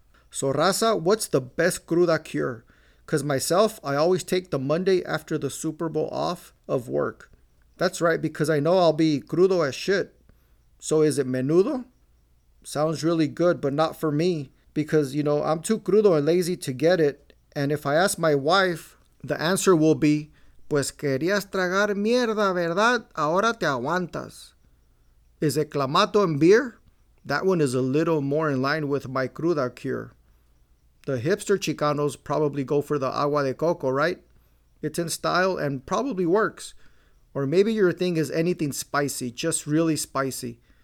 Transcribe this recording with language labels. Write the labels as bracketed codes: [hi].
[en] So, Raza, what's the best cruda cure? Because myself, I always take the Monday after the Super Bowl off of work. That's right, because I know I'll be crudo as shit. So, is it menudo? Sounds really good, but not for me. Because, you know, I'm too crudo and lazy to get it. And if I ask my wife, the answer will be, [es] pues querías tragar mierda, ¿verdad? Ahora te aguantas. [en] Is it clamato and beer? That one is a little more in line with my cruda cure. The hipster Chicanos probably go for the agua de coco, right? It's in style and probably works. Or maybe your thing is anything spicy, just really spicy.